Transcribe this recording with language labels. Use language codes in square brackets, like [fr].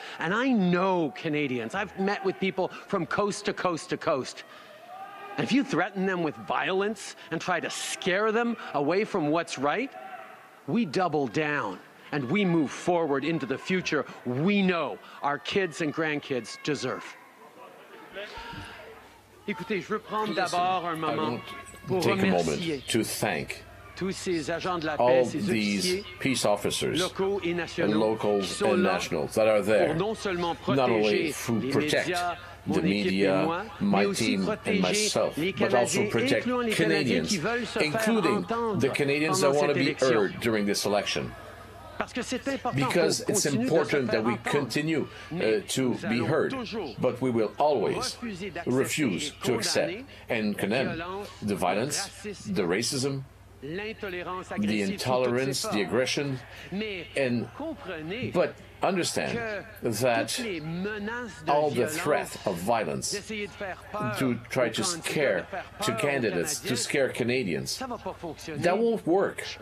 [en] And I know Canadians. I've met with people from coast to coast to coast. And if you threaten them with violence and try to scare them away from what's right, we double down and we move forward into the future we know our kids and grandkids deserve. [fr] Écoutez, je veux prendre d'abord un moment pour remercier tous ces agents de la paix, ces officiers locaux et nationaux qui sont là pour non seulement protéger les médias, [en] the media, my team, and myself, but also protect Canadians, including the Canadians that want to be heard during this election. Because it's important that we continue to be heard, but we will always refuse to accept and condemn the violence, the racism, the intolerance, the aggression, and but understand that all the threat of violence to try to scare to candidates, to scare Canadians, that won't work.